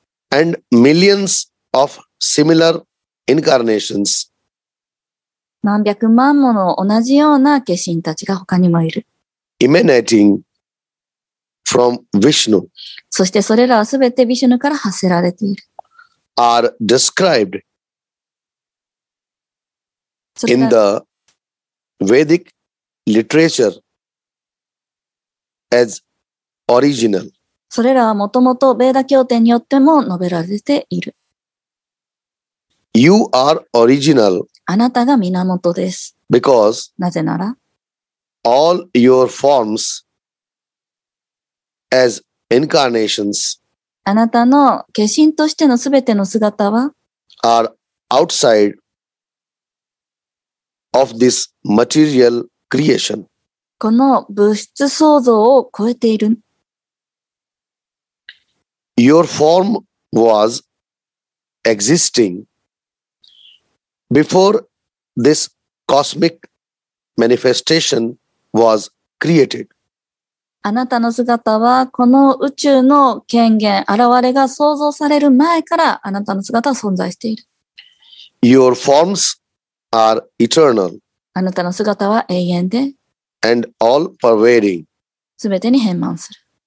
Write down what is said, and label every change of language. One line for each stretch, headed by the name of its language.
English: And millions of similar incarnations
Japanese: 何百万もの同じような化身たちが他にもいる。
English: Emanating from Vishnu。
Japanese: そしてそれらはすべてヴィシュヌから発せられている。
English: Are described in the Vedic literature as original。
Japanese: それらはもともとヴェーダ経典によっても述べられている。
English: You are original。
Japanese: あなたが源です。
English: Because
Japanese: なぜなら、
English: all your forms as incarnations。
Japanese: あなたの化身としてのすべての姿は、
English: are outside of this material creation。
Japanese: この物質創造を超えている。
English: Your form was existing before this cosmic manifestation was created.
Japanese: あなたの姿はこの宇宙の権限、現れが創造される前からあなたの姿は存在している。
English: Your forms are eternal.
Japanese: あなたの姿は永遠で。
English: And all pervading.
Japanese: すべてに遍満する。